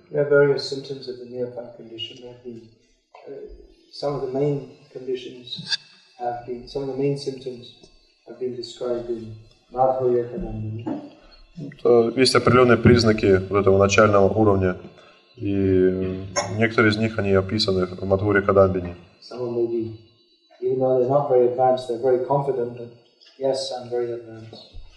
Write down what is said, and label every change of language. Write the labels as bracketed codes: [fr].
[en] There are various symptoms of the neophyte condition. Some of the main conditions have been, some of the main symptoms have been described in Madhva Yogananda. [ru] Есть определенные признаки вот этого начального уровня. И некоторые из них, они описаны в Мадхва Йогананда. [en] Even though they're not very advanced, they're very confident that, yes, I'm very advanced.